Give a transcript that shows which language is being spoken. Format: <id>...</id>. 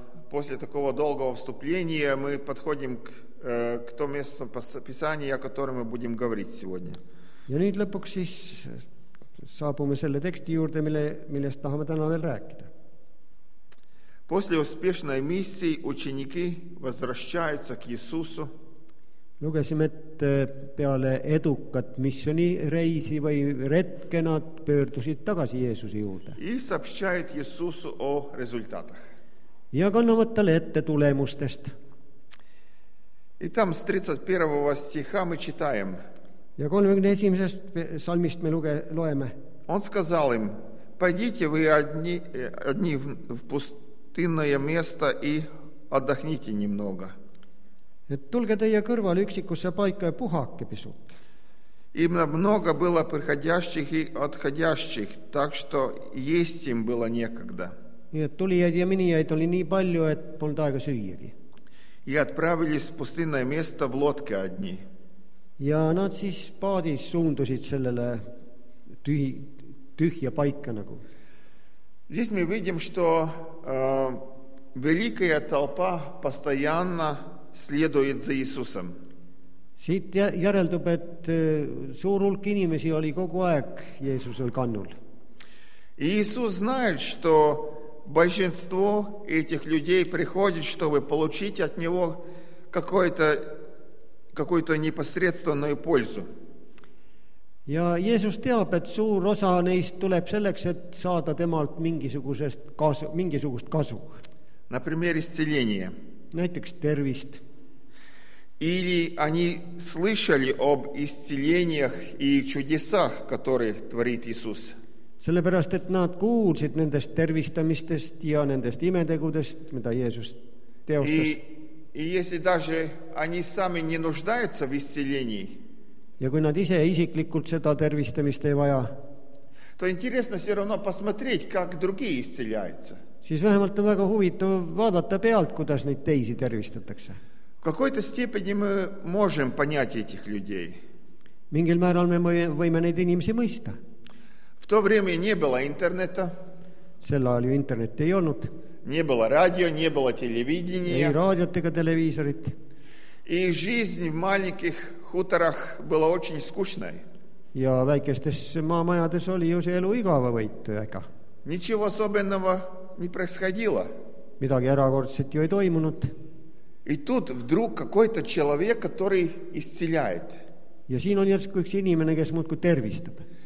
<ru>После такого долгого вступления мы подходим к тому месту Писания, о котором мы будем говорить сегодня.</ru> <et>Ja nüüd lõpuks siis saabume selle teksti juurde, millest tahame täna veel rääkida.</et> <ru>После успешной миссии ученики возвращаются к Иисусу.</ru> <et>Lugesime, et peale edukat missioni reisi või retke nad pöördusid tagasi Jeesuse juurde.</et> <ru>И сообщают Иисусу о результатах.</ru> <et>Ja kannavad tale ette tulemustest.</et> <ru>И там с 31 стиха мы читаем.</ru> <et>Ja 31 salmist me loeme.</et> <ru>Он сказал им: «Пойдите вы одни в пустынное место и отдохните немного».</ru> <et>Et tulge teie kõrval üksikusse paika ja puhake pisut.</et> <ru>Им много было приходящих и отходящих, так что есть им было некогда.</ru> <et>Ja tulijad ja minijad oli nii palju, et polnud aega süüagi.</et> <ru>И отправились в пустынное место в лодке одни.</ru> <et>Ja nad siis paadis suundusid sellele tühja paika nagu.</et> <ru>Здесь мы видим, что великая толпа постоянно следует за Иисусом.</ru> <et>Siit järeldub, et suur hulk inimesi oli kogu aeg Jeesusel kannul.</et> <ru>Иисус знает, что большинство этих людей приходит, чтобы получить от него какую-то непосредственную пользу.</ru> <et>Ja Jeesus teab, et suur osa neist tuleb selleks, et saada temalt mingisugust kasu.</et> <ru>Например, исцеление.</ru> <et>Näiteks tervist.</et> <ru>Или они слышали об исцелениях и чудесах, которые творит Иисус.</ru> <et>Sellepärast, et nad kuulsid nendest tervistamistest ja nendest imetegudest, mida Jeesus teostas.</et> <ru>И если даже они сами не нуждаются в исцелении.</ru> <et>Ja kui nad ise isiklikult seda tervistamist ei vaja.</et> <ru>То интересно все равно посмотреть, как другие исцеляются.</ru> <et>Siis vähemalt on väga huvitav vaadata pealt, kuidas neid teisi tervistatakse.</et> <ru>В какой-то степени мы можем понять этих людей.</ru> <et>Mingil määral me võime neid inimesi mõista.</et> <ru>В то время не было интернета.</ru> <et>Sel ajal ju internet ei olnud.</et> <ru>Не было радио, не было телевидения.</ru> <et>Ei raadiot ega televiisorit.</et> <ru>И жизнь в маленьких хуторах была очень скучной.</ru> <et>Ja väikestes maamajades oli ju see elu igava võituega.</et> <ru>Ничего особенного не происходило.</ru> <et>Midagi erakordset ju ei toimunud.</et> <ru>И тут вдруг какой-то человек, который исцеляет.</ru> <et>Ja siin on järsku üks inimene, kes muudkui tervistab.</et>